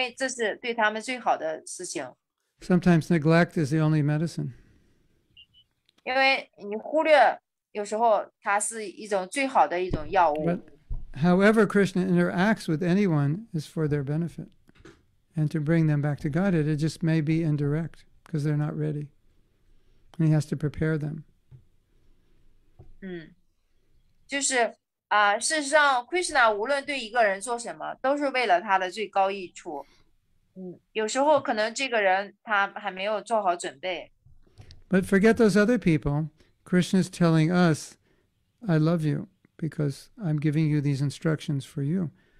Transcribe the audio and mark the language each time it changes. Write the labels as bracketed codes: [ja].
[zh] 在圣典博伽瓦坛当中呢，有时候呢，就是写到这些圣人有时候会忽略他们，因为这是对他们最好的事情。 [en] Sometimes neglect is the only medicine. [zh] 因为你忽略，有时候它是一种最好的一种药物。 [en] However, Krishna interacts with anyone is for their benefit and to bring them back to Godhead. It just may be indirect because they're not ready. And he has to prepare them. [zh] 就是事实上, Krishna 无论对一个人做什么都是为了他的最高益处。有时候可能这个人他还没有做好准备。 [en] But forget those other people. Krishna is telling us, I love you. Because I'm giving you these instructions for you.